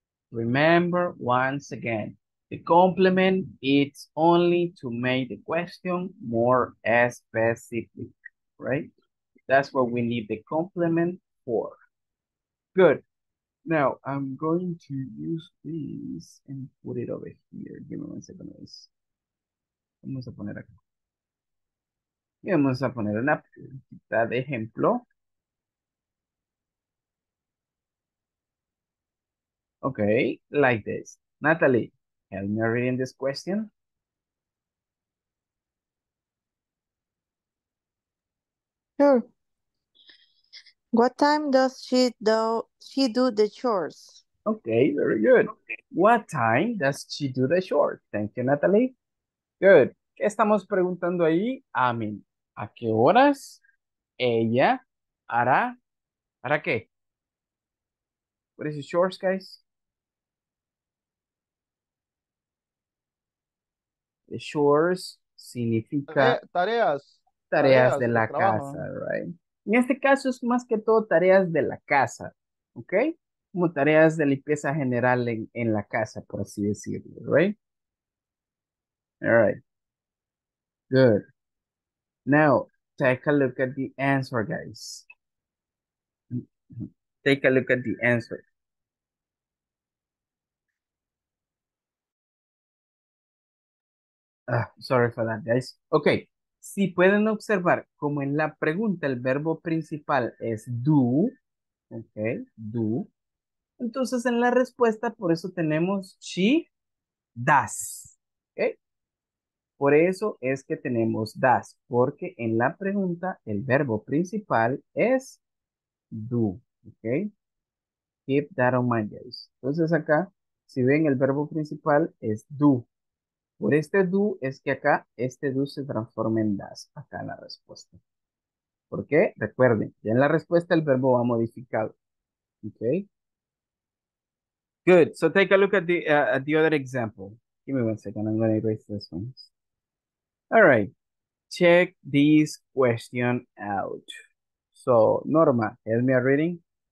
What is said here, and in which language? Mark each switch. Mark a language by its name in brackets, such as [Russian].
[English] Remember, once again, the complement is only to make the question more specific, right? That's what we need the complement for. Good. Now, I'm going to use this and put it over here. Give me one second. [Spanish] Vamos a poner acá. Y vamos a poner una pregunta de ejemplo. [English] Okay, like this. Natalie, help me reading this question. Sure. What time does she do the chores? Okay, very good. What time does she do the chores? Thank you, Natalie. Good. [Spanish] ¿Qué estamos preguntando ahí? I mean, ¿a qué horas ella hará? ¿Hará qué? [English] What is the chores, guys? [Spanish] The chores significa... Tareas. Tareas de la casa, right? En este caso es más que todo tareas de la casa, ¿ok? Como tareas de limpieza general en la casa, por así decirlo, ¿right? [English] All right. Good. Now, take a look at the answer, guys. Take a look at the answer. Sorry for that, guys. Okay. [Spanish] Si pueden observar, como en la pregunta el verbo principal es do, ok, do, entonces en la respuesta por eso tenemos she does, ok. Por eso es que tenemos does, porque en la pregunta el verbo principal es do, ok. [English] Keep that in mind, guys. [Spanish] Entonces acá, si ven el verbo principal es do. Por este do es que acá, este do se transforma en does, acá en la respuesta. ¿Por qué? Recuerden, ya en la respuesta el verbo va modificado. ¿Ok? [English] Good, so take a look at the other example. Give me one second, I'm going to erase this one. All right, check this question out. So, Norma, help me a reading.